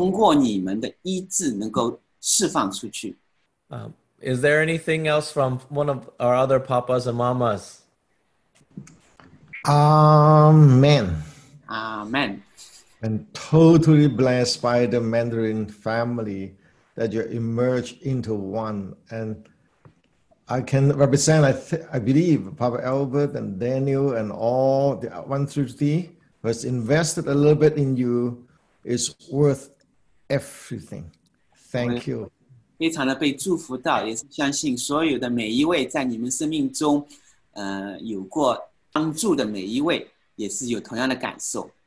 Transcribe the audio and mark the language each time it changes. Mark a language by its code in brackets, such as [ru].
[zh] 也是祷告神有更多的这个医治，通过你们的医治能够释放出去。 [en] Is there anything else from one of our other papas and mamas? Amen. Amen. And totally blessed by the Mandarin family. That you emerge into one. And I can represent, I believe, Papa Albert and Daniel and all the 133 who has invested a little bit in you is worth everything. Thank you. [zh] 非常的被祝福到，也是相信所有的每一位在你们生命中，有过帮助的每一位，也是有同样的感受。